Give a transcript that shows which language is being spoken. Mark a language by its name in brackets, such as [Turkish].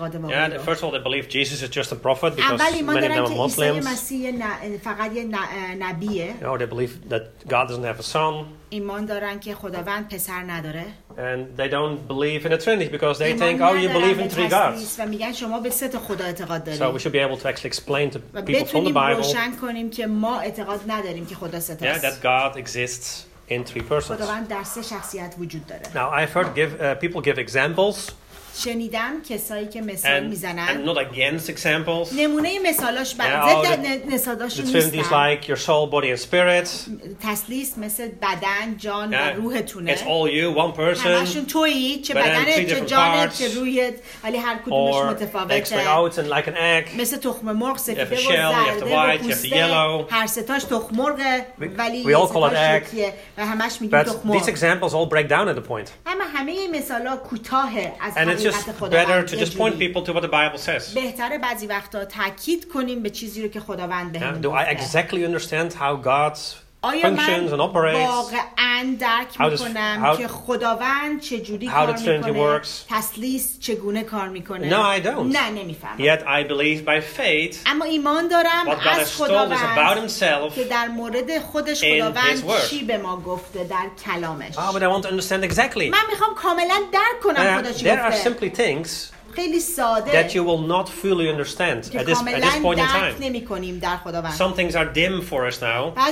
[English] Yeah, first of all, they believe Jesus is just a prophet because many of them are Muslims. No, they believe that God doesn't have a son. [Persian] ایمان دارن که خداوند پسر نداره. [English] And they don't believe in the Trinity because they think, oh, you believe in three gods. [Persian] و میگن شما به سه تا خدا اعتقاد دارید. [English] So we should be able to actually explain to people from the Bible. [Persian] و روشن کنیم که ما اعتقاد نداریم که خدا سه تا است. [English] Yeah, that God exists in three persons. [Persian] خداوند در سه شخصیت وجود داره. [English] Now I've heard people give examples. [Persian] شنیدم کسایی که مثال میزنن. [English] And not against examples. [Persian] نمونه مثالاش [English] The Trinity is like your soul, body and spirit. [Persian] تثلیث مثل بدن، جان و روحتونه. [English] It's all you, one person. [Persian] همشون تویی، چه بدنت، چه جانت، چه روحت، ولی هر کدومش متفاوته. [English] Or out and like an egg. [Persian] مثل تخم مرغ، سفید و زرد. [English] You have a shell, you have the white, you have the yellow. [Persian] هر ستاش تخم مرغه، ولی [English] we all call it egg. [Persian] و همش میگیم تخم مرغ. [English] But these examples all break down at the point. [Persian] اما همه این مثالا کوتاه از [English] It's just better to just point people to what the Bible says. [Persian] بهتره بعضی وقتا تاکید کنیم به چیزی رو که خداوند بهمون گفته. [English] Do I exactly understand how God functions and operates? [Persian] آیا من واقعا درک میکنم که خداوند چجوری کار میکنه؟ [English] How the Trinity works? [Persian] تثلیث چگونه کار میکنه؟ [English] No, I don't. [Persian] نه نمیفهمم. [English] Yet I believe by faith. [Persian] اما ایمان دارم از خداوند. [English] About himself. [Persian] که در مورد خودش خداوند چی به ما گفته در کلامش. [English] Oh, but I want to understand exactly. [Persian] من میخوام کاملا درک کنم خدا چی گفته. [English] There are simply things. That you will not fully understand at this point in time. Some things are dim for us now.